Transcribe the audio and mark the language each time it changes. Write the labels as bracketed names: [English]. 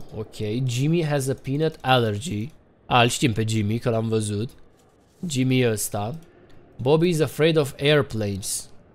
[English] Ok, Jimmy has a peanut allergy. [Romanian] A, îl știm pe Jimmy, că l-am văzut. Jimmy e ăsta. [English] Bobby is afraid of airplanes.